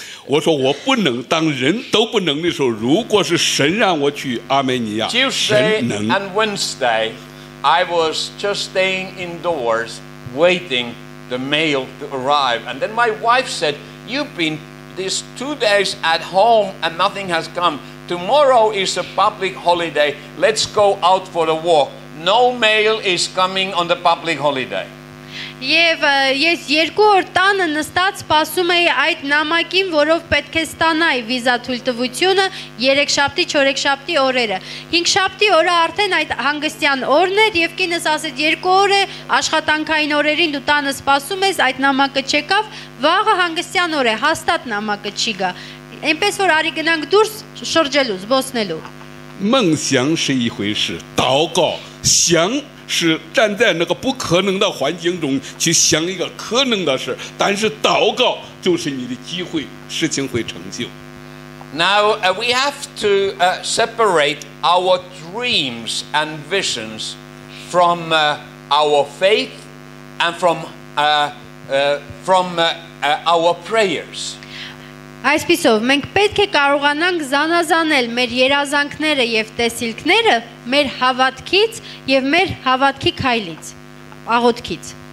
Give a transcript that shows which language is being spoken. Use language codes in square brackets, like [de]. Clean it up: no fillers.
[zh] 我说我不能当人都不能的时候，如果是神让我去阿美尼亚，神能。 [en] Tuesday and Wednesday, I was just staying indoors waiting the mail to arrive, and then my wife said, "You've been these 2 days at home and nothing has come. Tomorrow is a public holiday. Let's go out for a walk. No mail is coming on the public holiday." [hy] Եվ ես երկու օր տանը նստած սպասում էի այդ նամակին, որով պետք է ստանայի վիզա թույլտվությունը 3-շաբթի 4-շաբթի օրերը։ 5-շաբթի օրը արդեն այդ հանգստյան օրն էր եւ կինս ասեց 2 օր է աշխատանքային օրերին դու տանը սպասում ես, այդ նամակը չեկավ, վաղը հանգստյան օր է, հաստատ նամակը չի գա։ Էնպես որ արի գնանք դուրս շրջելու, զբոսնելու։ Մնցյանսի [zh] 一回事,禱告,想 是站在那个不可能的环境中去想一个可能的事，但是祷告就是你的机会，事情会成就。 [en] Now we have to separate our dreams and visions from our faith and from our prayers. [hy] Այսպիսով մենք պետք է կարողանանք զանազանել մեր երազանքները եւ տեսիլքները մեր հավատքից եւ մեր հավատքի քայլից աղոթքից։